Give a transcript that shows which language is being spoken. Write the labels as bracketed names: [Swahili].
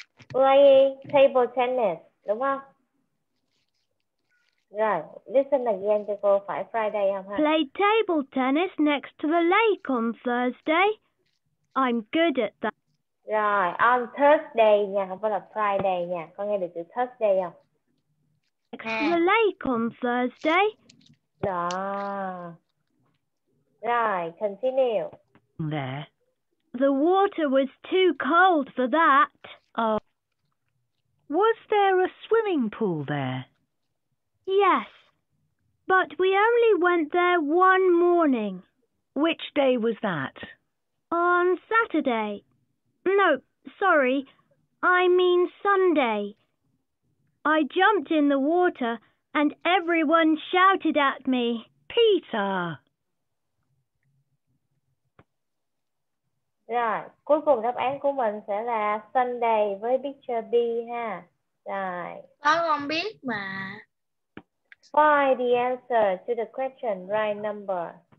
[English] Playing table tennis, [Vietnamese] đúng không? Rồi, [English] listen again [Vietnamese] cho cô, phải Friday không ha? [English] Play table tennis next to the lake on Thursday. I'm good at that. [Vietnamese] Rồi, [English] on Thursday [Vietnamese] nha, không phải là Friday nha. Con nghe được từ Thursday không? [English] Next to the lake on Thursday. [Vietnamese] Đó. Rồi, continue. [English] There. The water was too cold for that. Oh. Was there a swimming pool there? Yes, but we only went there one morning. Which day was that? On Saturday. No, sorry, I mean Sunday. I jumped in the water and everyone shouted at me, Peter! [Vietnamese] Rồi, cuối cùng đáp án của mình sẽ là Sunday với picture B ha. Rồi. Đó không biết mà. [English] Find the answer to the question right number.